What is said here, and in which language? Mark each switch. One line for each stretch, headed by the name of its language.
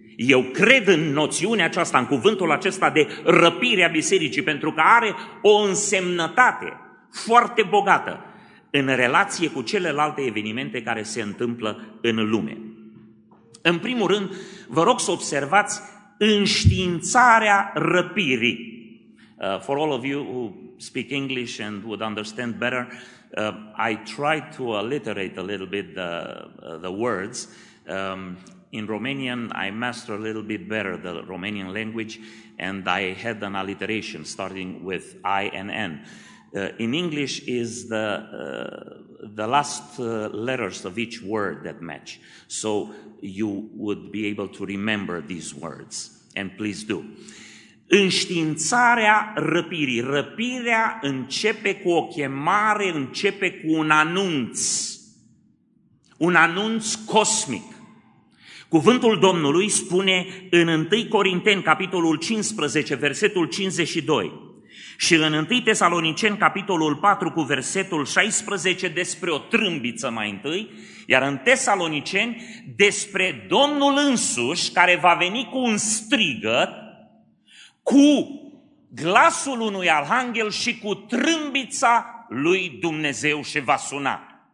Romanian: Eu cred în noțiunea aceasta, în cuvântul acesta de răpire a bisericii, pentru că are o însemnătate foarte bogată în relație cu celelalte evenimente care se întâmplă în lume. În primul rând, vă rog să observați înștiințarea răpirii.
English: For all of you who speak English and would understand better, I tried to alliterate a little bit the words. In Romanian, I master a little bit better the Romanian language, and I had an alliteration starting with I and N. In English, is the last letters of each word that match, so you would be able to remember these words, and please do.
Romanian: Înștiințarea răpirii. Răpirea începe cu o chemare, începe cu un anunț. Un anunț cosmic. Cuvântul Domnului spune în 1 Corinteni, capitolul 15, versetul 52, și în 1 Tesaloniceni, capitolul 4, cu versetul 16, despre o trâmbiță mai întâi, iar în Tesaloniceni, despre Domnul însuși, care va veni cu un strigăt, cu glasul unui arhanghel și cu trâmbița lui Dumnezeu și va suna.